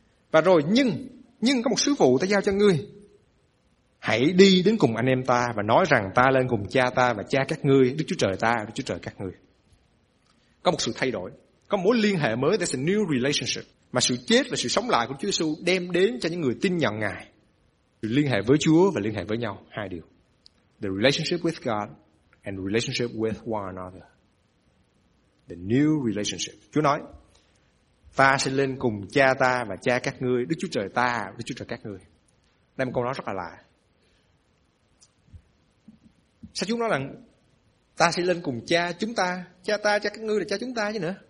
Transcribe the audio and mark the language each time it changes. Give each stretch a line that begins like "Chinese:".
Vietnamese: Và rồi nhưng có một sứ vụ ta giao cho ngươi. Hãy đi đến cùng anh em ta và nói rằng ta lên cùng cha ta và cha các ngươi, Đức Chúa Trời ta, Đức Chúa Trời các ngươi. Có một sự thay đổi, có mối liên hệ mới,
English: there's a new relationship,
Vietnamese: mà sự chết và sự sống lại của Chúa Giêsu đem đến cho những người tin nhận Ngài. Sự liên hệ với Chúa và liên hệ với nhau, hai điều.
English: The relationship with God and relationship with one another. The new relationship.
Vietnamese: Chúa nói, ta sẽ lên cùng cha ta và cha các ngươi, Đức Chúa Trời ta, Đức Chúa Trời các ngươi. Đây một câu nói rất là lạ. Sao Chúa nói rằng ta sẽ lên cùng cha chúng ta, cha ta, cha các ngươi là cha chúng ta chứ nữa.